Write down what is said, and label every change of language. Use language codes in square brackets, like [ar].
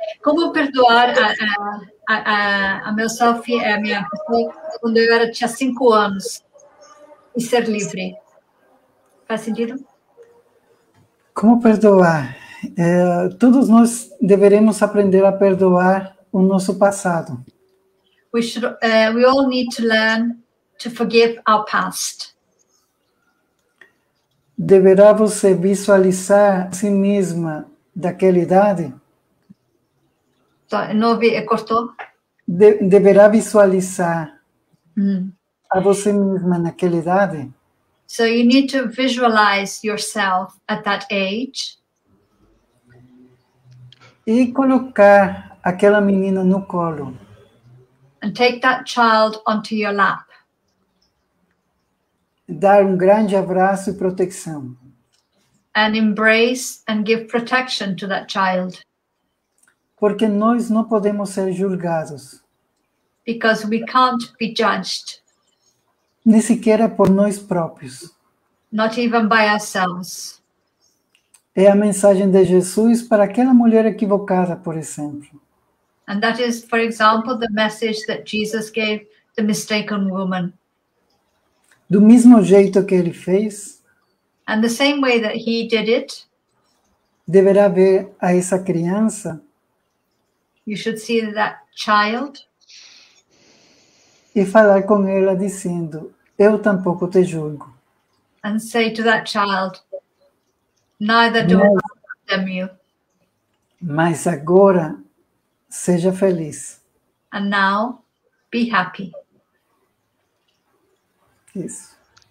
[pt] Como perdoar a meu self, a minha pessoa, quando eu tinha 5 anos e ser livre? Faz sentido? Como perdoar? Todos nós deveremos aprender a perdoar o nosso passado. [en] We should, we all need to learn to forgive our past. [pt] Deverá você visualizar a si mesma daquela idade? Tá, não vi, cortou. Deverá visualizar a você mesma naquela idade? [en] So you need to visualize yourself at that age. [pt] E colocar aquela menina no colo. [en] And take that child onto your lap. [pt] Dar grande abraço e proteção. [en] And embrace and give protection to that child. [pt] Porque nós não podemos ser julgados. [en] Because we can't be judged. [pt] Nem sequer por nós próprios. [en] Not even by ourselves. [pt] É a mensagem de Jesus para aquela mulher equivocada, por exemplo. [en] And that is, for example, the message that Jesus gave the mistaken woman. [pt] Do mesmo jeito que ele fez. [en] And the same way that he did it. [pt] Deverá ver a essa criança. [en] You should see that child. [pt] E falar com ela dizendo, eu tampouco te julgo. [en] And say to that child, neither do I condemn you. [pt] Mas agora, seja feliz. [en] And now, be happy. [pt] Isso.